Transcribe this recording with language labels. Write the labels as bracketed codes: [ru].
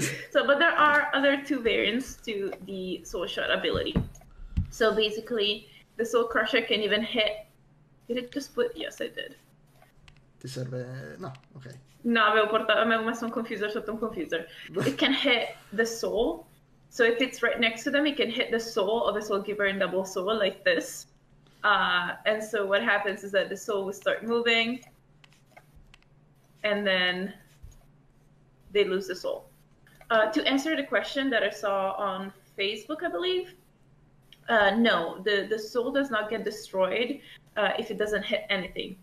[en] So, but there are other two variants to the Soul Shot ability. So basically, the Soul Crusher can even hit... Did it just put... Yes, I did. [it] Ti serve... No, ok. No, avevo messo un confuser sotto un confuser. [en] It can hit the soul. So if it's right next to them, it can hit the soul of a soul giver in double soul like this. And so what happens is that the soul will start moving. And then... they lose the soul. To answer the question that I saw on Facebook, I believe, no, the soul does not get destroyed if it doesn't hit anything.